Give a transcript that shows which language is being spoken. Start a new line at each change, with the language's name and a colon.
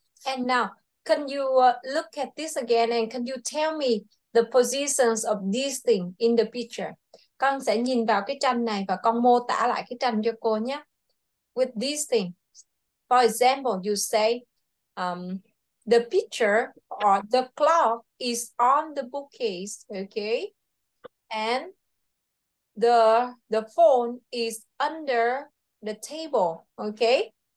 English: And now, can you look at this again, and can you tell me the positions of this thing in the picture?
Vietnamese: Con sẽ nhìn vào cái tranh này và con mô tả lại cái tranh cho cô nhé.
English: With this thing, for example, you say, the picture or the clock is on the bookcase, okay? And the phone is under the table, okay?